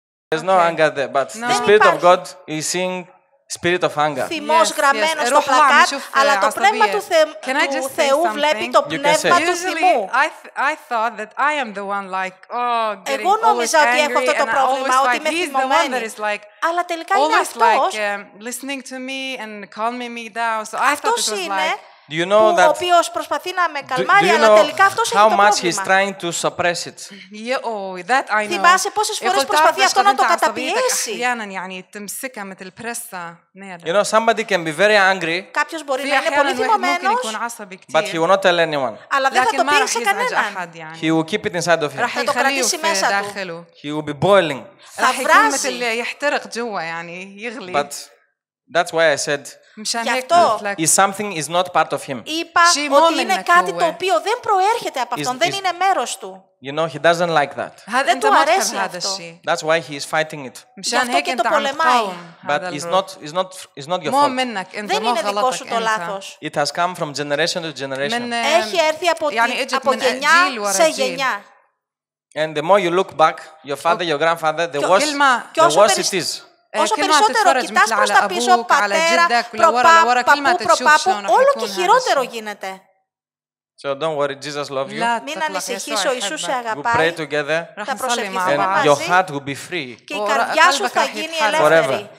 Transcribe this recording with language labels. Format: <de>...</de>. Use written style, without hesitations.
<en>There's no anger there, but the spirit of God is seeing spirit of anger.</en> <el>Θυμός γραμμένο στο πλακάτ, αλλά το πνεύμα του Θεού βλέπει το πνεύμα του θυμού.</el> <en>I thought that I am the one like, oh,</en> <el>εγώ νόμιζα ότι έχω αυτό το πρόβλημα, ότι είμαι θυμωμένη. Αλλά τελικά είναι αυτός.</el> <en>Always like listening to me and calming me down. So I thought it was like. Do you know that?</en> <el>Ο οποίος προσπαθεί να με καλμάρει, αλλά τελικά αυτός έχει το πρόβλημα.</el> <en>How much he's trying to suppress it. Yeah, oh, that I know.</en> <el>Θυμάσαι πόσες φορές προσπαθεί αυτό να το καταπιέσει.</el> <ar>Γιάννη, يعني تمسكها مثل برستا.</ar> <en>You know somebody can be very angry.</en> <el>Κάποιος μπορεί να είναι πολύ θυμωμένος.</el> <en>But he will not tell anyone.</en> <el>Αλλά δεν θα το πει σε κανέναν.</el> <en>He will keep it inside of him.</en> <el>Θα το κρατήσει μέσα του.</el> <en>He will be boiling.</en> <el>Θα βράζει.</el> <ar>يحترق جوا يعني يغلي.</ar> <en>But that's why I said.</en> <el>Γι' αυτό</el> <en>is something is not part of him.</en> <el>Είπα ότι είναι κάτι το οποίο δεν προέρχεται από αυτόν, δεν είναι μέρος του.</el> <en>You know, he doesn't like that.</en> <el>Δεν του αρέσει αυτό.</el> <en>That's why he is fighting it.</en> <el>Γι' αυτό και το πολεμάει.</el> <en>But it's not your fault.</en> <el>Δεν είναι δικό σου το λάθος.</el> <en>It has come from generation to generation.</en> <el>Έχει έρθει από γενιά σε γενιά.</el> <en>And the more you look back, your father, your grandfather, the worse it is.</en> <el>Όσο περισσότερο κοιτάς προς τα πίσω, πατέρα, προπάπου, προπάπου, όλο και χειρότερο γίνεται.</el> <en>So don't worry, Jesus loves you.</en> <el>Μην ανησυχείς, ο Ιησούς σε αγαπάει.</el> <en>We'll pray together.</en> <el>Θα προσευχηθούμε μαζί.</el> <en>And your heart will be free.</en> <el>Και η καρδιά σου θα γίνει ελεύθερη.</el>